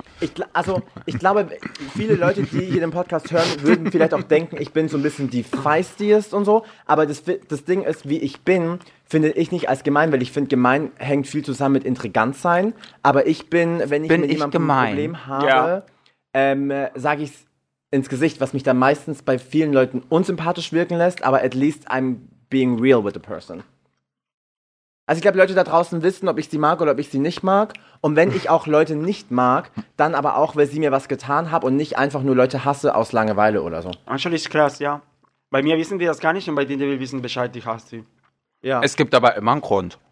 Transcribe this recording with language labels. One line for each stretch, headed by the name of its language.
German: Ich glaube, viele Leute, die hier den Podcast hören, würden vielleicht auch denken, ich bin so ein bisschen die Feistiest und so. Aber das Ding ist, wie ich bin, finde ich nicht als gemein, weil ich finde, gemein hängt viel zusammen mit intrigant sein. Aber ich bin, wenn ich mit jemandem ein Problem habe, ja, sage ich es ins Gesicht, was mich dann meistens bei vielen Leuten unsympathisch wirken lässt. Aber
English: at least I'm being real with the person.
German: Also ich glaube, Leute da draußen wissen, ob ich sie mag oder ob ich sie nicht mag. Und wenn ich auch Leute nicht mag, dann aber auch, weil sie mir was getan haben und nicht einfach nur Leute hasse aus Langeweile oder so. Anscheinend ist krass, ja. Bei mir wissen die das gar nicht und bei denen, die wissen Bescheid, ich hasse sie. Ja. Es gibt aber immer einen Grund.